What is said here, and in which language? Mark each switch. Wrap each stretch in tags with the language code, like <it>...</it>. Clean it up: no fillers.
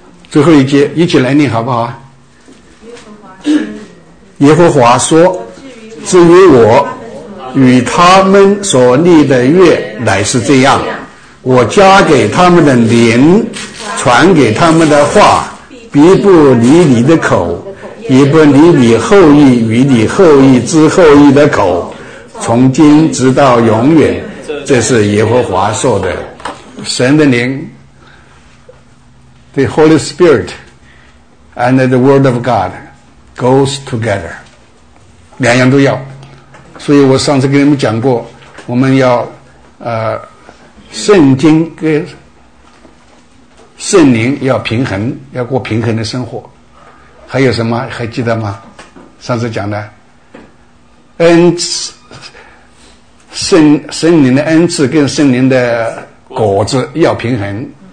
<zh>最后一节一起来念好不好，耶和华说，至于我与他们所立的约乃是这样，我加给他们的灵，传给他们的话，必不离你的口，也不离你后裔与你后裔之后裔的口，从今直到永远，这是耶和华说的。神的灵，</zh> <en>The Holy Spirit and the Word of God goes together.</en> <zh>两样都要。所以我上次跟你们讲过，我们要圣经跟圣灵要平衡，要过平衡的生活。还有什么还记得吗，上次讲的恩赐，圣灵的恩赐跟圣灵的果子要平衡。</zh>